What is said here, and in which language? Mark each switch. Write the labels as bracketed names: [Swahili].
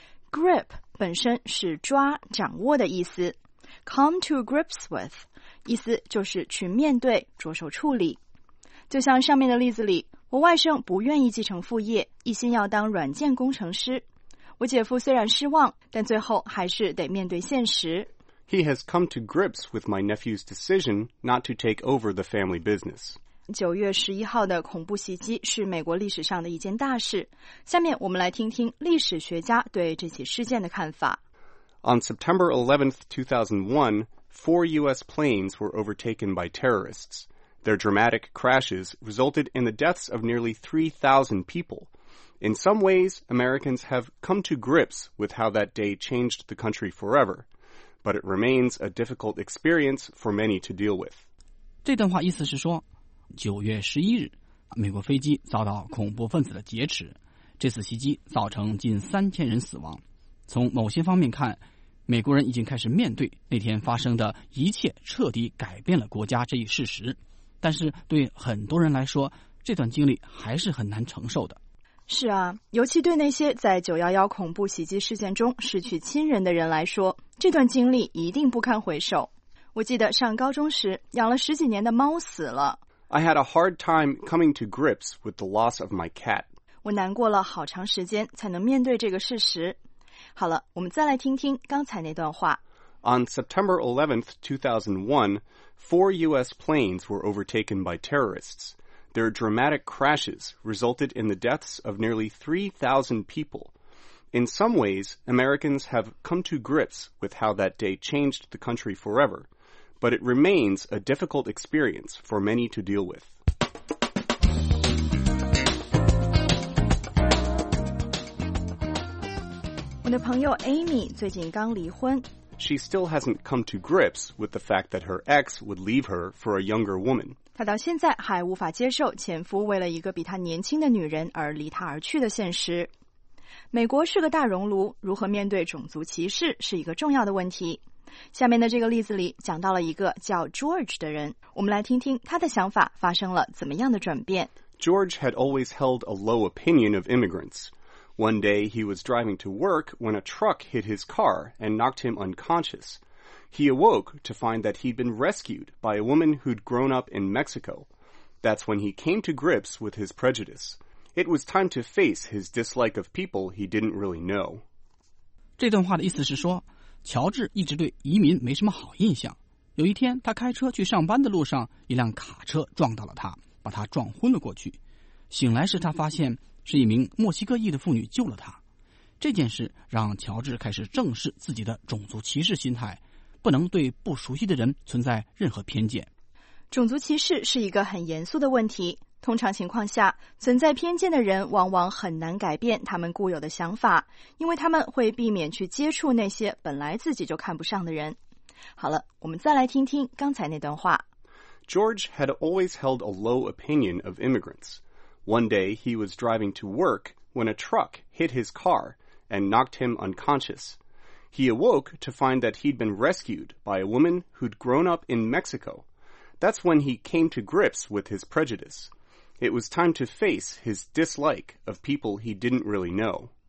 [Chinese] Grip 本身是抓、掌握的意思。 [English] Come to grips with, [Chinese] 意思就是去面对、着手处理。就像上面的例子里，我外甥不愿意继承父业，一心要当软件工程师。我姐夫虽然失望，但最后还是得面对现实。 [English] He has come to grips with my nephew's decision not to take over the family business. [Chinese] 9月11号的恐怖袭击是美国历史上的一件大事。下面我们来听听历史学家对这起事件的看法。 [English] On September 11th, 2001, four U.S. planes were overtaken by terrorists. Their dramatic crashes resulted in the deaths of nearly 3,000 people. In some ways, Americans have come to grips with how that day changed the country forever. But it remains a difficult experience for many to deal with. [Chinese] 这段话意思是说 ,9 月11日美国飞机遭到恐怖分子的劫持，这次袭击造成近3000人死亡。从某些方面看，美国人已经开始面对那天发生的一切彻底改变了国家这一事实。但是对很多人来说，这段经历还是很难承受的。是啊，尤其对那些在911恐怖袭击事件中失去亲人的人来说，这段经历一定不堪回首。我记得上高中时养了十几年的猫死了。 [English] I had a hard time coming to grips with the loss of my cat. [Chinese] 我难过了好长时间才能面对这个事实。好了，我们再来听听刚才那段话。 [English] On September 11th, 2001, four U.S. planes were overtaken by terrorists. Their dramatic crashes resulted in the deaths of nearly 3,000 people. In some ways, Americans have come to grips with how that day changed the country forever, but it remains a difficult experience for many to deal with. [Chinese] 我的朋友 Amy 最近刚离婚。 [English] She still hasn't come to grips with the fact that her ex would leave her for a younger woman. [Chinese] 她到现在还无法接受前夫为了一个比她年轻的女人而离她而去的现实。美国是个大熔炉，如何面对种族歧视是一个重要的问题。下面的这个例子里讲到了一个叫 George 的人，我们来听听他的想法发生了怎么样的转变。 [English] George had always held a low opinion of immigrants. One day, he was driving to work when a truck hit his car and knocked him unconscious. He awoke to find that he'd been rescued by a woman who'd grown up in Mexico. That's when he came to grips with his prejudice. It was time to face his dislike of people he didn't really know. [Chinese] 这段话的意思是说，乔治一直对移民没什么好印象。有一天，他开车去上班的路上，一辆卡车撞到了他，把他撞昏了过去。醒来时，他发现是一名墨西哥裔的妇女救了他。这件事让乔治开始正视自己的种族歧视心态，不能对不熟悉的人存在任何偏见。种族歧视是一个很严肃的问题，通常情况下，存在偏见的人往往很难改变他们固有的想法，因为他们会避免去接触那些本来自己就看不上的人。好了，我们再来听听刚才那段话。 [English] George had always held a low opinion of immigrants. One day, he was driving to work when a truck hit his car and knocked him unconscious. He awoke to find that he'd been rescued by a woman who'd grown up in Mexico. That's when he came to grips with his prejudice. It was time to face his dislike of people he didn't really know.